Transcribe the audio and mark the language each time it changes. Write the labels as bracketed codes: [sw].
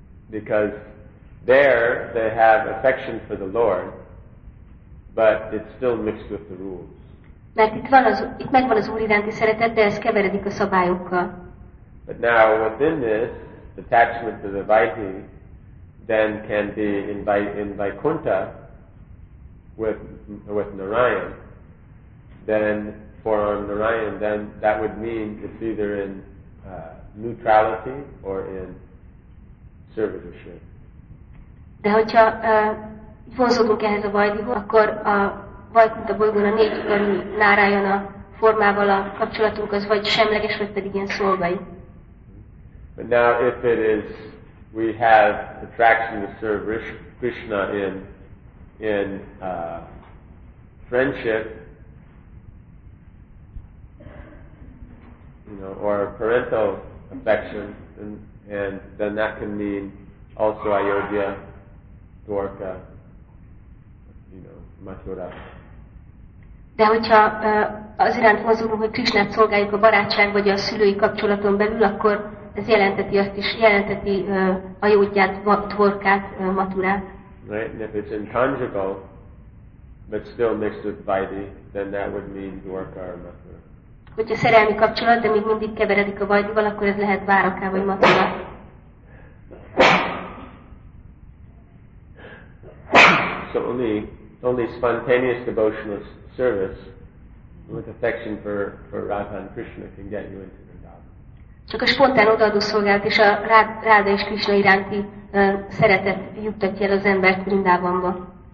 [en] Because there they have affection for the Lord, but it's still mixed with the rules. [hu] Mert itt megvan az Úr iránti szeretet, de ez keveredik a szabályokkal. [en] But now within this attachment to the Vaidhi, then can be in Vaikuntha with Narayan. Then for Narayan, then that would mean it's either in neutrality or in servitorship. [hu] De hogyha vonzódunk ehhez a vajdihoz, akkor a Vajkunta bolygón a négy körű Nárájana formával a kapcsolatunk az vagy semleges, vagy pedig ilyen szolgai. [en] But now if it is, we have attraction to serve Krishna in friendship, you know, or parental affection, and then that can mean also Ayodhya, Dwarka, you know, Mathura. [hu] De hogyha az iránt vonzódunk, hogy Krishnát szolgáljuk a barátság vagy a szülői kapcsolaton belül, akkor ez jelenteti azt is, jelenteti Ayodhyát, Dwarkát, Mathurát. [en] Right, and if it's intangible, but still mixed with Vaidhi, then that would mean Dwarka or Mathura. [hu] Hogyha szerelmi kapcsolat, de még mindig keveredik a Vaidhival, akkor ez lehet Dwarka vagy Mathura. [en] So only spontaneous devotional service with affection for Radha and Krishna can get you into Vrindavan. [hu] Csak a spontán odaadó szolgálat és a Radha és Krishna iránti szeretet juttatja el az embert Vrindavanba.